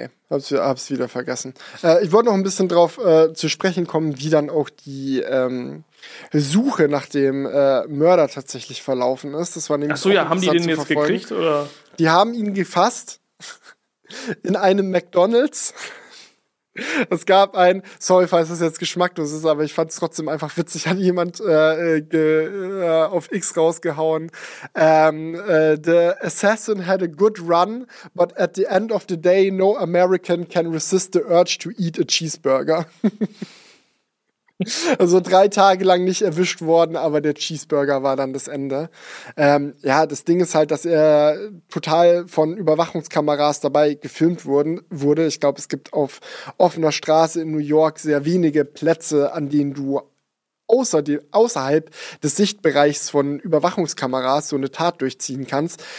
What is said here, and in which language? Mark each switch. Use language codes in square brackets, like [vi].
[de] Hab's wieder vergessen. Ich wollte noch ein bisschen drauf zu sprechen kommen, wie dann auch die Suche nach dem Mörder tatsächlich verlaufen ist. Das war nämlich haben die den jetzt gekriegt? Oder? Die haben ihn gefasst in einem McDonald's. Es gab ein, sorry, falls das jetzt geschmacklos ist, aber ich fand es trotzdem einfach witzig, hat jemand auf X rausgehauen. [en] The assassin had a good run, but at the end of the day, no American can resist the urge to eat a cheeseburger. [de] Also 3 Tage lang nicht erwischt worden, aber der Cheeseburger war dann das Ende. Das Ding ist halt, dass er total von Überwachungskameras dabei gefilmt wurde. Ich glaube, es gibt auf offener Straße in New York sehr wenige Plätze, an denen du außerhalb des Sichtbereichs von Überwachungskameras so eine Tat durchziehen kannst.